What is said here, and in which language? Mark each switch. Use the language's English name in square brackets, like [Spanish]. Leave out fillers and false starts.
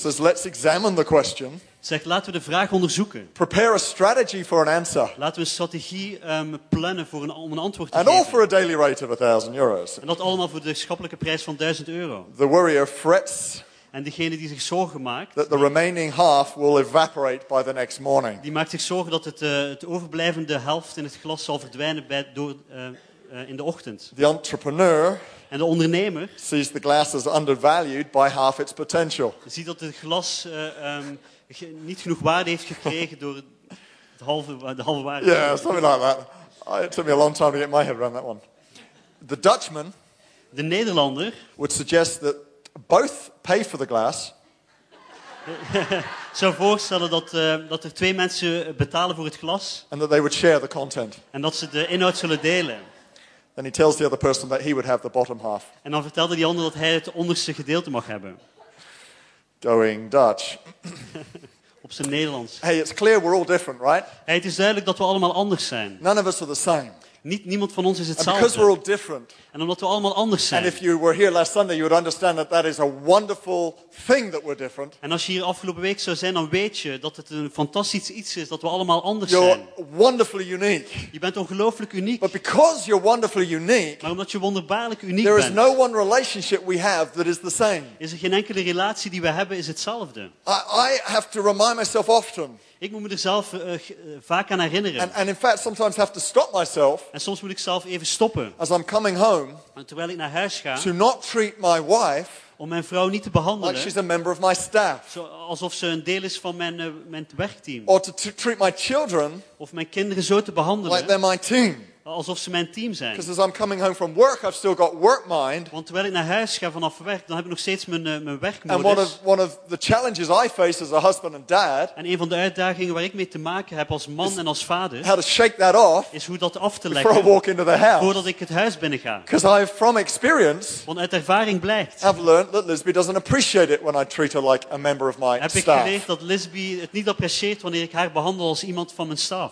[English] Says let's examine the question. [Dutch] Zegt laten we de vraag onderzoeken. [English] Prepare a strategy for an answer. [Dutch] Laten we een strategie plannen voor om een antwoord te [English] and [Dutch] geven. [English] And all for a daily rate of 1,000 euros. [Dutch] En dat allemaal voor de schappelijke prijs van 1,000 euro. [English] The worrier frets. [Dutch] En degene die zich zorgen maakt. [English] That the remaining half will evaporate by the next morning. [Dutch] Die maakt zich zorgen dat het overblijvende helft in het glas zal verdwijnen in de ochtend. [English] The entrepreneur. [Dutch] En de ondernemer. [English] Sees the glass as undervalued by half its potential. [Dutch] Ziet dat het glas niet genoeg waarde heeft gekregen door de halve waarde. [English] Yeah, something like that. It took me a long time to get my head around that one. The Dutchman. [Dutch] De Nederlander. [English] Would suggest that both pay for the glass. [Dutch] Zou voorstellen dat er twee mensen betalen voor het glas. [English] And that they would share the content. [Dutch] En dat ze de inhoud zullen delen. [English] Then he tells the other person that he would have the bottom half. [Dutch] En dan vertelde die ander dat hij het onderste gedeelte mag hebben. [English] Going Dutch. [Dutch] Op zijn Nederlands. [English] Hey, it's clear we're all different, right? [Dutch] Hey, het is duidelijk dat we allemaal anders zijn. [English] None of us are the same. [Dutch] Niemand van ons is hetzelfde. [English] And because we're all different. [Dutch] En omdat we allemaal anders zijn. [English] And if you were here last Sunday, you would understand that that is a wonderful thing that we're different. [Dutch] En als je hier afgelopen week zou zijn, dan weet je dat het een fantastisch iets is dat we allemaal anders [English] you're [Dutch] zijn. [English] You're wonderfully unique. [Dutch] Je bent ongelooflijk uniek. [English] But because you're wonderfully unique. [Dutch] Maar omdat je wonderbaarlijk uniek bent. [English] There is no one relationship we have that is the same. [Dutch] Is er geen enkele relatie die we hebben is hetzelfde. [English] I have to remind myself often. [Dutch] Ik moet me er zelf vaak aan herinneren. [English] And in fact, sometimes have to stop myself. [Dutch] En soms moet ik zelf even stoppen. [English] As I'm coming home. [Dutch] En terwijl ik naar huis ga. [English] To not treat my wife. [Dutch] Om mijn vrouw niet te behandelen. [English] Like she's a member of my staff. [Dutch] Alsof ze een deel is van mijn werkteam. [English] Or to treat my children. [Dutch] Of mijn kinderen zo te behandelen. [English] Like they're my team. [Dutch] Alsof ze mijn team zijn. [English] Because as I'm coming home from work, I've still got work mind. [Dutch] Want terwijl ik naar huis ga vanaf werk, dan heb ik nog steeds mijn werkmodus. [English] And one of the challenges I face as a husband and dad. [Dutch] En een van de uitdagingen waar ik mee te maken heb als man en als vader. [English] How to shake that off. [Dutch] Is hoe dat af te leggen. [English] Before I walk into the house. [Dutch] Voordat ik het huis binnenga. [English] Because I, from experience. [Dutch] Want uit ervaring blijkt. [English] I've learned that Lisby doesn't appreciate it when I treat her like a member of my staff. [Dutch] Heb ik geleerd dat Lisby het niet apprecieert wanneer ik haar behandel als iemand van mijn staf.